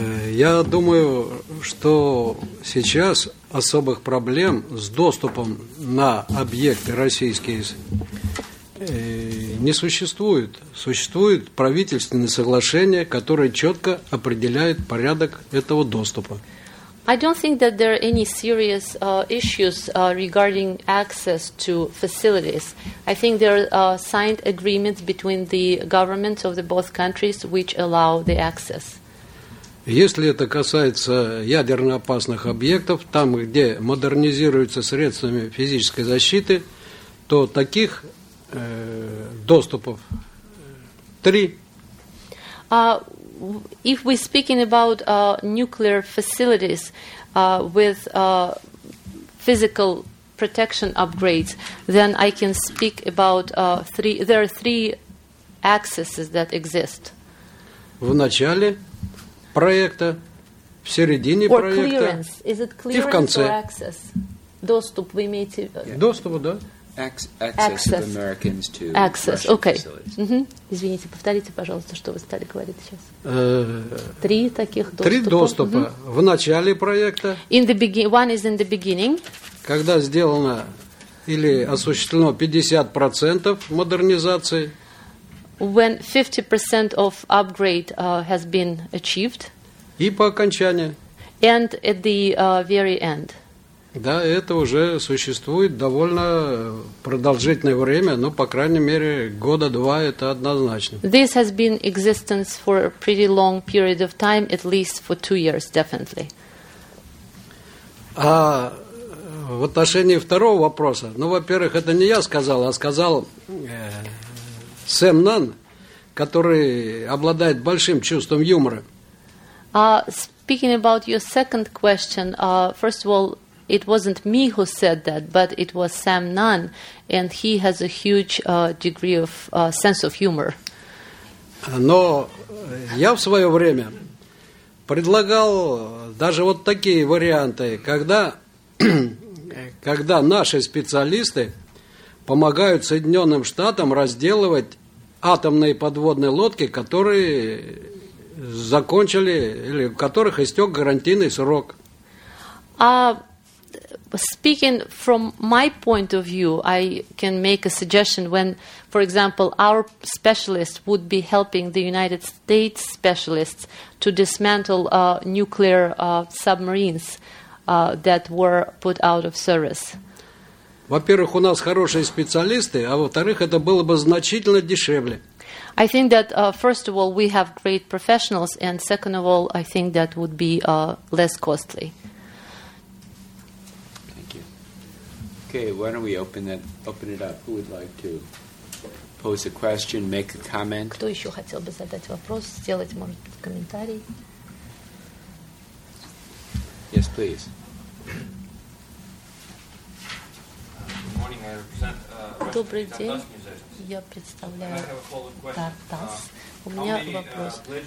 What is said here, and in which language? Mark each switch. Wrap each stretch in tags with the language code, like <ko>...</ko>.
<ru>Я думаю, что сейчас особых проблем с доступом на объекты российские не существует. Существуют правительственные соглашения, которые четко определяют порядок этого доступа.</ru> <en>I don't think that there are any serious issues regarding access to facilities. I think there are signed agreements between the governments of the both countries which allow the access.</en> <ru>Если это касается ядерно опасных объектов, там, где модернизируются средствами физической защиты, то таких доступов три.</ru> <en>If we're speaking about nuclear facilities with physical protection upgrades, then I can speak about three. There are three accesses that exist.</en> <ru>В начале проекта, в середине проекта, и в конце.</ru> <en>Or clearance. Is it clearance or access?</en> <ru>Доступ, вы имеете... Доступ, да.</ru> <en>Access of Americans to access. Russian okay. facilities. Mm-hmm.</en> <ru>Извините, повторите, пожалуйста, что вы стали говорить сейчас. Три таких доступа. Три доступа в начале проекта.</ru> <en>In the one is in the beginning.</en> <ru>Когда сделано или осуществлено 50% модернизации.</ru> <en>When 50% of upgrade has been achieved.</en> <ru>И по окончании.</ru> <en>And at the very end.</en> <ru>Да, это уже существует довольно продолжительное время, но, по крайней мере, года два это однозначно.</ru> <en>This has been existence for a pretty long period of time, at least for 2 years, definitely.</en> <ru>А в отношении второго вопроса, ну, во-первых, это не я сказал, а сказал Сэм Нан, который обладает большим чувством юмора.</ru> <en>Speaking about your second question, first of all, it wasn't me who said that, but it was Sam Nunn, and he has a huge degree of sense of humor.</en> <ru>Но я в свое время предлагал даже вот такие варианты, когда наши специалисты помогают Соединенным Штатам разделывать атомные подводные лодки, которые закончили или у которых истек гарантийный срок.</ru> <en>Speaking from my point of view, I can make a suggestion when, for example, our specialists would be helping the United States specialists to dismantle nuclear submarines that were put out of service.</en> <ru>Во-первых, у нас хорошие специалисты, а во-вторых, это было бы значительно дешевле.</ru> <en>I think that, first of all, we have great professionals, and second of all, I think that would be less costly. Okay, why don't we open it up? Who would like to pose a question, make a comment?</en> <ru>Кто еще хотел бы задать вопрос, сделать, может, комментарий?</ru> <en>Yes, please. Good morning, I represent</en> <ru>Добрый день. Я представляю Тартас. У меня вопрос.</ru>